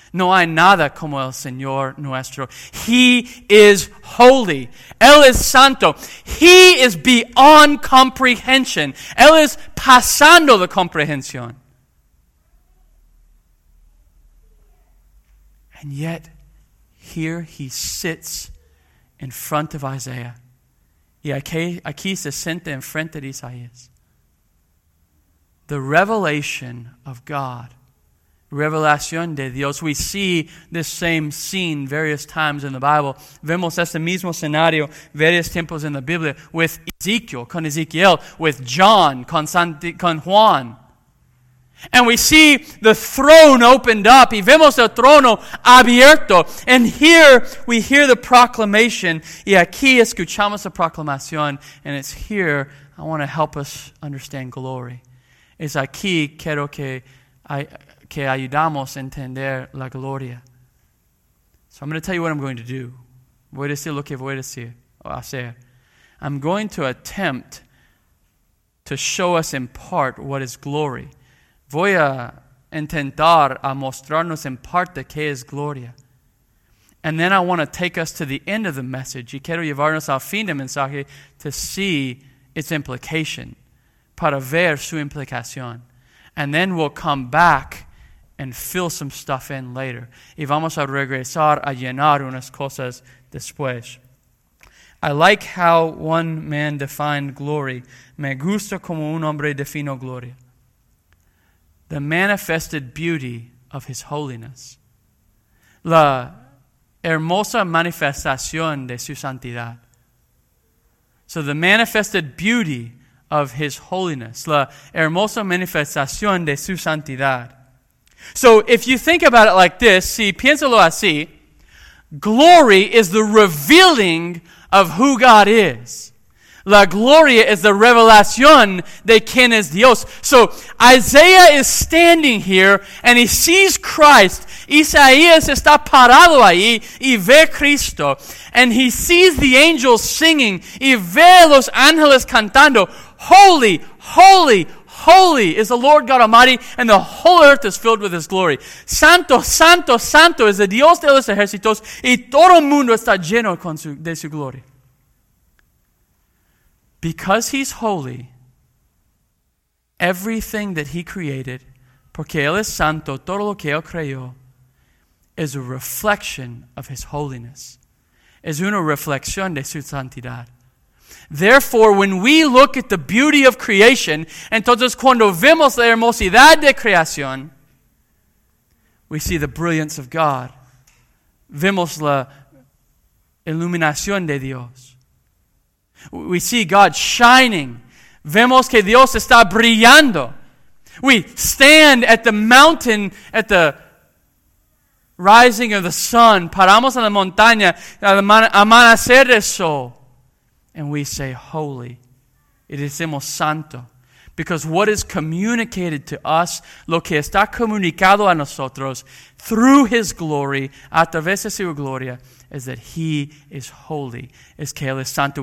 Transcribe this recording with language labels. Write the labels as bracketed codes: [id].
[es] No hay nada como el Señor nuestro. [en] He is holy. [es] Él es santo. [en] He is beyond comprehension. [es] Él es pasando la comprensión. [en] And yet, here he sits in front of Isaiah. [es] Y aquí se siente en frente de Isaías. [en] The revelation of God. [es] Revelación de Dios. [en] We see this same scene various times in the Bible. [es] Vemos este mismo escenario varios tiempos en la Biblia [en] with Ezekiel, [es] con Ezekiel, [en] with John, [es] con Juan. [en] And we see the throne opened up. [es] Y vemos el trono abierto. [en] And here we hear the proclamation. [es] Y aquí escuchamos la proclamación. [en] And it's here I want to help us understand glory. [es] Es aquí quiero que ayudamos a entender la gloria. [en] So I'm going to tell you what I'm going to do. [es] Voy a decir lo que voy a decir o hacer. [en] I'm going to attempt to show us in part what is glory. [es] Voy a intentar a mostrarnos en parte qué es gloria. [en] And then I want to take us to the end of the message. [es] Y quiero llevarnos al fin del mensaje [en] to see its implication, [es] para ver su implicación. [en] And then we'll come back and fill some stuff in later. [es] Y vamos a regresar a llenar unas cosas después. [en] I like how one man defined glory. [es] Me gusta como un hombre definió gloria. [en] The manifested beauty of his holiness. [es] La hermosa manifestación de su santidad. [en] So the manifested beauty of his holiness. [es] La hermosa manifestación de su santidad. [en] So if you think about it like this, [es] si piénsalo así, [en] glory is the revealing of who God is. [es] La gloria es la revelación de quién es Dios. [en] So Isaiah is standing here and he sees Christ. [es] Isaías está parado ahí y ve Cristo. [en] And he sees the angels singing [es] y ve los ángeles cantando. [en] Holy, holy, holy is the Lord God Almighty, and the whole earth is filled with His glory. [es] Santo, santo, santo es el Dios de los ejércitos, y todo el mundo está lleno de su gloria. [en] Because He's holy, everything that He created, [es] porque Él es santo, todo lo que Él creó, [en] is a reflection of His holiness. [es] Es una reflexión de su santidad. [en] Therefore, when we look at the beauty of creation, [es] entonces cuando vemos la hermosidad de creación, [en] we see the brilliance of God. [es] Vemos la iluminación de Dios. [en] We see God shining. [es] Vemos que Dios está brillando. [en] We stand at the mountain, at the rising of the sun. [es] Paramos en la montaña, al amanecer del sol. [en] And we say, holy. [es] Y decimos, santo. [en] Because what is communicated to us, [es] lo que está comunicado a nosotros, [en] through His glory, [es] a través de su gloria, [en] is that He is holy. [es] Es que Él es santo.